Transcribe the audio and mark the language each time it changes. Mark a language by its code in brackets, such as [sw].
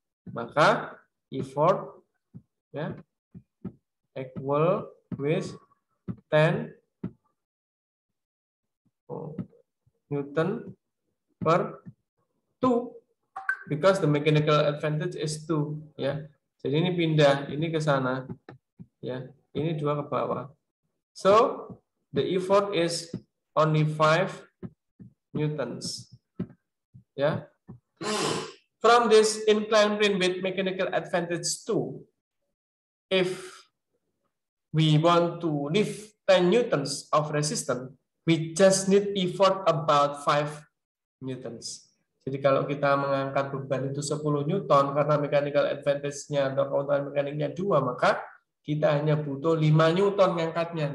[en] Maka effort, ya, yeah, equal with 10 newton per 2, because the mechanical advantage is 2, ya. Yeah. [id] Jadi ini pindah, ini ke sana, ya. [en] Yeah. [id] Ini 2 ke bawah. [en] So the effort is only 5 newtons, ya. Yeah. From this inclined plane with mechanical advantage 2, if we want to lift 10 newtons of resistance, we just need effort about 5 newtons. [id] Jadi kalau kita mengangkat beban itu 10 newton, karena mechanical advantage-nya atau keuntungan mekaniknya 2, maka kita hanya butuh 5 newton mengangkatnya.